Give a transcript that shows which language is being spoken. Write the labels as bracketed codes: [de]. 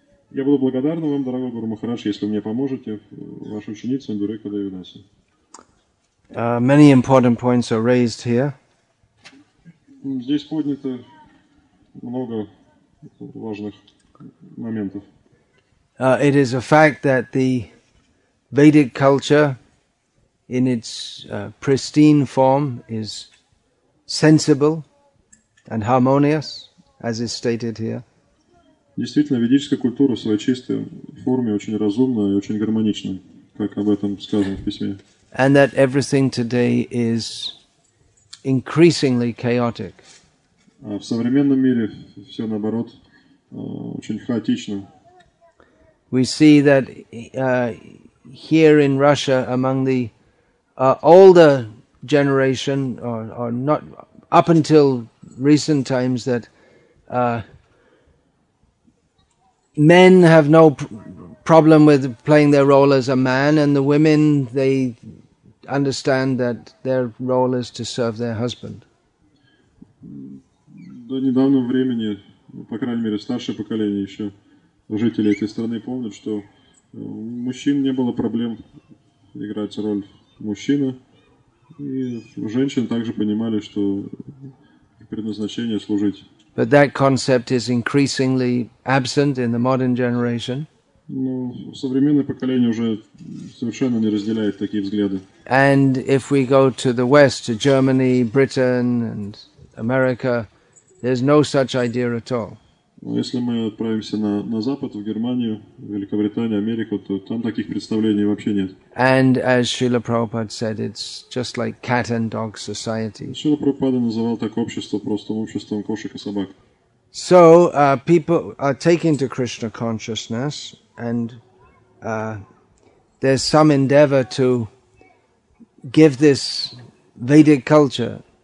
[ru] Я буду благодарна вам, дорогой Гуру Махарадж, если вы мне поможете, ваша ученица Индурека Девидаси. [en] Many important points are raised here. [ru] Здесь поднято много важных моментов. [en] It is a fact that the Vedic culture in its pristine form is sensible and harmonious, as is stated here. [ru] Действительно, ведическая культура в своей чистой форме очень разумная и очень гармонична, как об этом сказано в письме. [en] And that everything today is increasingly chaotic. [ru] А в современном мире все наоборот очень хаотично. [en] We see that here in Russia, among the older generation, or not up until recent times, that men have no problem with playing their role as a man, and the women, they understand that their role is to serve their husband. [ru] До недавнего времени, по крайней мере, старшее поколение еще, жители этой страны помнят, что у мужчин не было проблем играть роль мужчины, и женщины также понимали, что предназначение служить. [en] But that concept is increasingly absent in the modern generation. [ru] Но современное поколение уже совершенно не разделяет такие взгляды. [en] And if we go to the West, to Germany, Britain and America, there's no such idea at all. [ru] Но если мы отправимся на Запад, в Германию, Великобританию, Америку, то там таких представлений вообще нет. [en] And as Srila Prabhupada said, it's just like cat and dog society. [ru] Srila Prabhupada называл так общество просто обществом кошек и собак. [en] So people are taken to Krishna consciousness, and there's some endeavor to give this Vedic culture.